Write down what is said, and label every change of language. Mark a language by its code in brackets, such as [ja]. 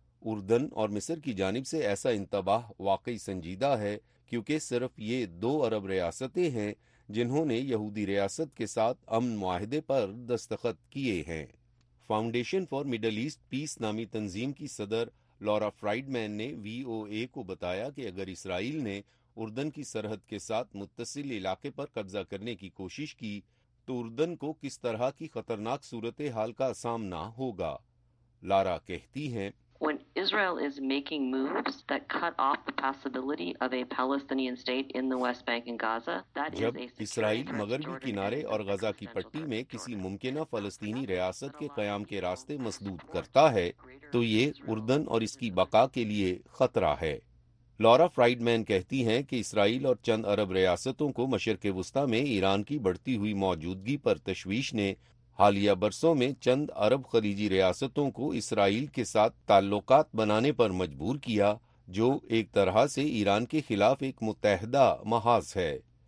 [ur] اردن اور مصر کی جانب سے ایسا انتباہ واقعی سنجیدہ ہے، کیونکہ صرف یہ دو عرب ریاستیں ہیں جنہوں نے یہودی ریاست کے ساتھ امن معاہدے پر دستخط کیے ہیں۔ فاؤنڈیشن فار مڈل ایسٹ پیس نامی تنظیم کی صدر لورا فرائیڈمین نے وی او اے کو بتایا کہ اگر اسرائیل نے اردن کی سرحد کے ساتھ متصل علاقے پر قبضہ کرنے کی کوشش کی تو اردن کو کس طرح کی خطرناک صورتحال کا سامنا ہوگا۔ لارا کہتی ہیں، [en] When Israel is making moves that cut off the possibility of a Palestinian state in the West Bank and Gaza, that [ur] جب اسرائیل مغربی کنارے اور غزہ کی پٹی میں کسی ممکنہ فلسطینی ریاست کے قیام کے راستے مسدود کرتا ہے تو یہ اردن اور اس کی بقا کے لیے خطرہ ہے۔ لورا فرائیڈمین کہتی ہیں کہ اسرائیل اور چند عرب ریاستوں کو مشرق وسطی میں ایران کی بڑھتی ہوئی موجودگی پر تشویش نے حالیہ برسوں میں چند عرب خلیجی ریاستوں کو اسرائیل کے ساتھ تعلقات بنانے پر مجبور کیا، جو ایک طرح سے ایران کے خلاف ایک متحدہ محاذ ہے۔